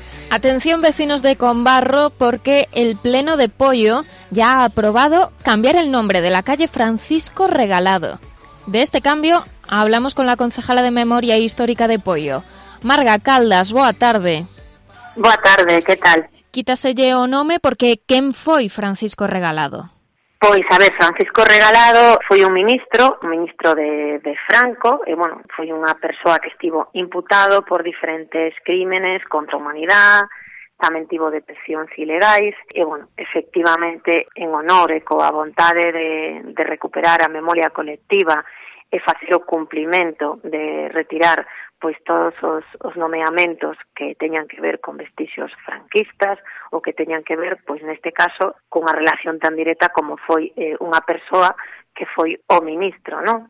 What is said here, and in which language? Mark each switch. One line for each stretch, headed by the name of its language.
Spanish: Atención vecinos de Combarro, porque el Pleno de Poio ya ha aprobado cambiar el nombre de la calle Francisco Regalado. De este cambio hablamos con la concejala de Memoria Histórica de Poio.
Galician: Marga Caldas, boa tarde. Boa tarde, que tal? Quítaselle o nome porque quen foi Francisco Regalado? Pois, a ver, Francisco Regalado foi un ministro de Franco, e, bueno, foi unha persoa que estivo imputado por diferentes crímenes contra a humanidade, tamén tivo detencións ilegais, e, bueno, efectivamente, en honor e coa vontade de recuperar a memoria colectiva e facer o cumplimento de retirar pois todos os nomeamentos que teñan que ver con vestixios franquistas ou que teñan que ver, pois neste caso, cunha relación tan directa como foi unha persoa que foi o ministro, non?